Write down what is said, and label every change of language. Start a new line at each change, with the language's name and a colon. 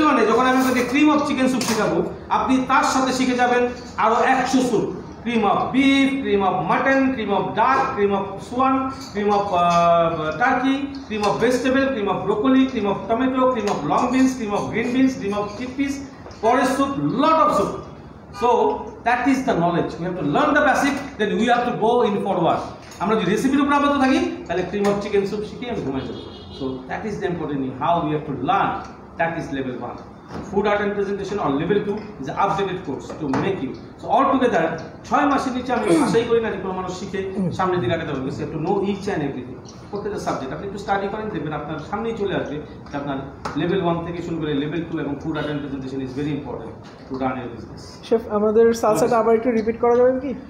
Bangla: যখন আমি স্যুপ শিখাবো আপনি তার সাথে শিখে যাবেন আরো
English: 100 soup cream of beef, cream of mutton, cream of duck, cream of swan, cream of turkey, cream of vegetable, cream of broccoli, cream of tomato, cream of long beans, cream of green beans, cream of chickpeas, porridge soup, lot of soup. So that is the knowledge. We have to learn the basic, then we have to go in forward.
Bangla: আমরা যদি রেসিপির উপর আবদ্ধ থাকি তাহলে cream of chicken soup শিখে আমি ঘুমাই যাব.
English: So that is the important thing. How we have to learn. That is level one. Food art and presentation on level 2 is an updated course to make you. So all together,
Bangla: 6 মাসের নিচে আমি আশাই করি না diploma মানুষ শিখে সামনের দিকে আগাতে হবে একটু
English: know each and everything
Bangla: প্রত্যেকটা সাবজেক্ট আপনি একটু স্টাডি করেন দেখবেন আপনার সামনেই চলে আসবে আপনার লেভেল 1 থেকে শুরু করে লেভেল 2 এবং food art presentation
English: is very important to run your business
Bangla: chef আমাদের সালসাটা আবার একটু রিপিট করা যাবে কি